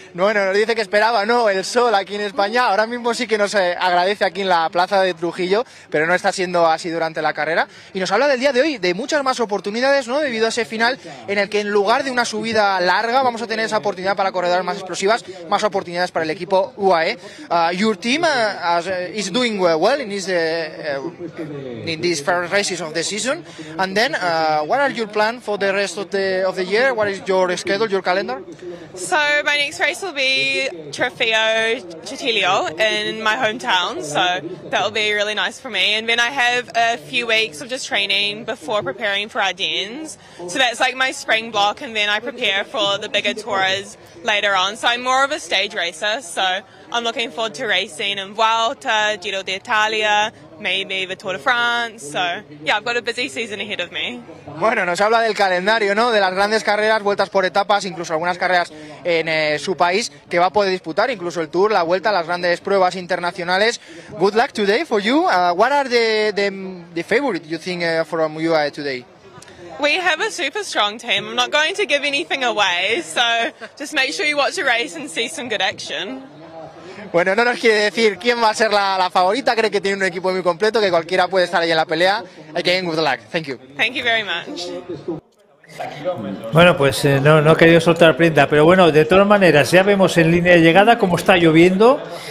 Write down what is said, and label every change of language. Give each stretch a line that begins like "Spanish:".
Spanish: Bueno, nos dice que esperaba, ¿no?, el sol aquí en España. Ahora mismo sí que nos agradece aquí en la plaza de Trujillo, pero no está siendo así durante la carrera. Y nos habla del día de hoy de muchas más oportunidades, ¿no?, debido a ese final en el que, en lugar de una subida larga, vamos a tener esa oportunidad para corredoras más explosivas, más oportunidades para el equipo UAE.
English: Your team is doing well in these first races of the season. And then, what are your plan for the rest of the year? What is your schedule, your calendar? So my next race will be Trofeo Cittadino in my hometown. So that will be really nice for me. And then I have a few weeks of just training before preparing for Ardennes. So that's like my spring block, and then I prepare for the bigger tours later on. So I'm more of a stage racer. So I'm looking forward to racing in Vuelta, Giro d'Italia, maybe the Tour de France. So I've got a busy season ahead of me.
Spanish: Bueno, nos habla del calendario, ¿no?, de las grandes carreras, vueltas por etapas, incluso algunas carreras en su país que va a poder disputar, incluso el Tour, la Vuelta, las grandes pruebas internacionales.
English: Good luck today for you. What are the favorite you think from you today? We have a super strong team. I'm not going to give anything away, so just make sure you watch the race and see some good action.
Spanish: Bueno, no nos quiere decir quién va a ser la favorita. Cree que tiene un equipo muy completo, que cualquiera puede estar ahí en la pelea.
English: Again, good luck. Thank you. Thank you very much.
Spanish: Bueno, pues no he querido soltar prenda, pero bueno, de todas maneras, ya vemos en línea de llegada cómo está lloviendo.